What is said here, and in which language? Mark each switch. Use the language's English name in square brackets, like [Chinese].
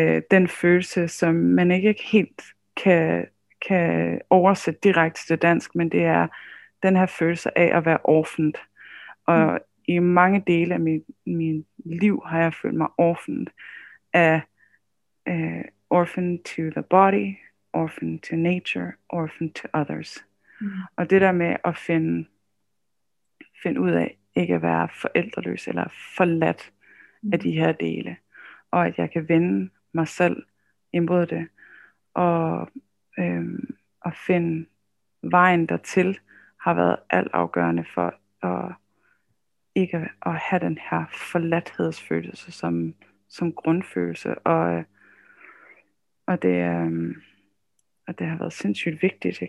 [Danish] den følelse, som man ikke helt kan oversætte direkte til dansk, men det er den her følelse af at være orphaned. Og i mange dele af min liv har jeg følt mig orphaned. [English] Orphaned to the body, orphaned to nature, orphaned to others. Mm. [Danish] Og det der med at finde ud af ikke at være forældreløs eller forladt af de her dele, og at jeg kan vende mig selv imod det, og at finde vejen dertil, har været altafgørende for at ikke at have den her forladthedsfølelse som grundfølelse, og det har været sindssygt vigtigt.